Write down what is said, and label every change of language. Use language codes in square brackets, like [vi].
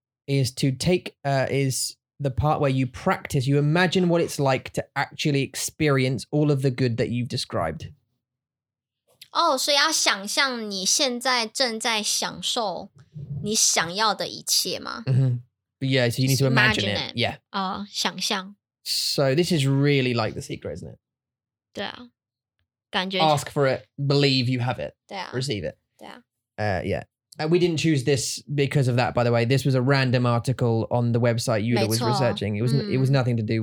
[en] Is to take, is the part where you practice, you imagine what it's like to actually experience all of the good that you've described. [zh] Oh, so 要想象你现在正在享受你想要的一切吗? [en] Mm-hmm. Yeah, so you need to imagine it. Yeah. [zh] 想象。 [en] So this is really like The Secret, isn't it? [zh] 对啊。感觉。 [en] Ask for it, believe you have it. [zh] 对啊。 [en] Receive it. [zh] 对啊。 [en] Yeah. We didn't choose this because of that, by the way. This was a random article on the website Yuda was researching. It was,、mm. it was nothing to do.